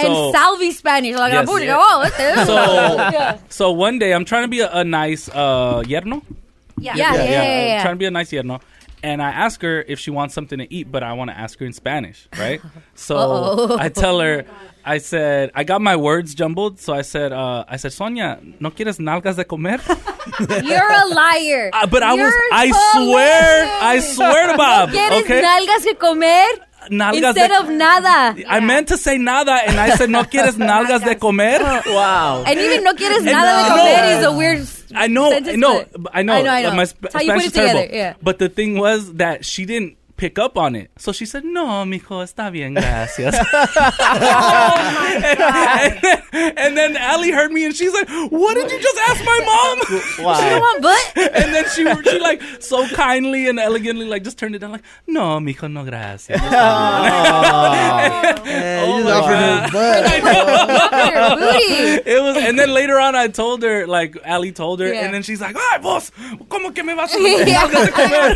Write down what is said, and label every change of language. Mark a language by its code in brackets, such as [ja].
[en] and Salvi Spanish. Like, yes, booty, yeah. Oh, so one day, I'm trying to be a nice yerno. Yeah. Trying to be a nice yerno. And I ask her if she wants something to eat, but I want to ask her in Spanish, right? So I tell her, I said, I got my words jumbled. So I said, [es] Sonia, ¿no quieres nalgas de comer? [en] You're a liar. I swear to Bob. [es] ¿No quieres nalgas de comer? Nalgas [en] instead of nada. Yeah. I meant to say nada, and I said, [es] ¿no quieres nalgas de comer? [en] Wow. And even [es] ¿no quieres nada de comer? [en] Is a weird I know. My how you Spanish put it together. Terrible. Yeah. But the thing was that she didn't pick up on it. So she said, [es] no, mijo, está bien, gracias. [en] and then Allie heard me and she's like, what did you just ask my mom? Why? She don't want butt. And then she like so kindly and elegantly like just turned it down like, [es] no, mijo, no, gracias. [en] It was, and then later on I told her, like Allie told her, and then she's like, ay, boss, [es] ¿cómo que me vas a decir?